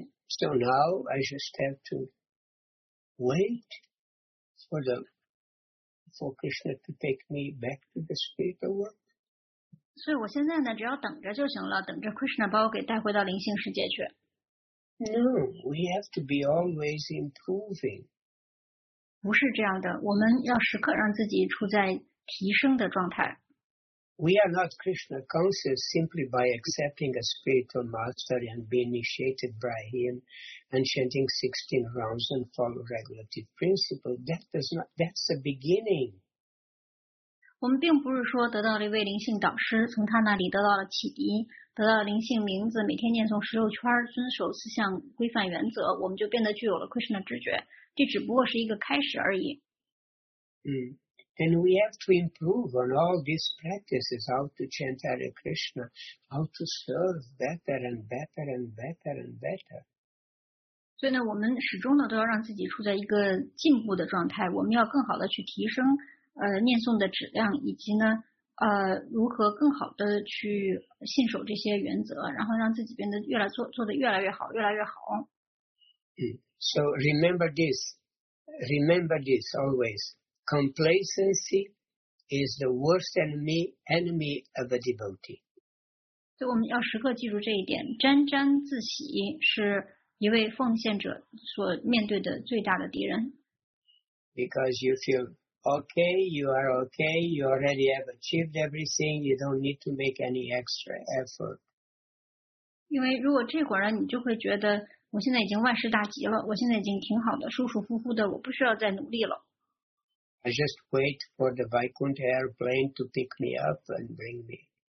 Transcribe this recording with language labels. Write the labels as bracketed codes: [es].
[en] So now I just have to wait for Krishna to take me back to the spiritual world. [zh] 所以我现在呢，只要等着就行了，等着 Krishna 把我给带回到灵性世界去。 [en] No, we have to be always improving. [zh] 不是这样的，我们要时刻让自己处在提升的状态。 [en] We are not Krishna conscious simply by accepting a spiritual master and being initiated by him and chanting 16 rounds and follow regulative principle. That's the beginning. [zh] 我们并不是说得到了一位灵性导师，从他那里得到了启迪，得到了灵性名字，每天念诵16圈，遵守四项规范原则，我们就变得具有了 Krishna 直觉。这只不过是一个开始而已。嗯。 [en] Then we have to improve on all these practices, how to chant Hare Krishna, how to serve better and better and better and better. [zh] 所以呢，我们始终呢都要让自己处在一个进步的状态，我们要更好的去提升念诵的质量，以及呢如何更好的去信守这些原则，然后让自己变得越来做得越来越好越来越好。 [en] So remember this always. Complacency is the worst enemy of a devotee. [zh] 所以我们要时刻记住这一点，沾沾自喜是一位奉献者所面对的最大的敌人。 [en] Because you feel okay, you are okay, you already have achieved everything, you don't need to make any extra effort. [zh] 因为如果这会儿呢，你就会觉得我现在已经万事大吉了，我现在已经挺好的，舒舒服服的，我不需要再努力了。 [en] I just wait for the Vaikunth airplane to pick me up and bring me.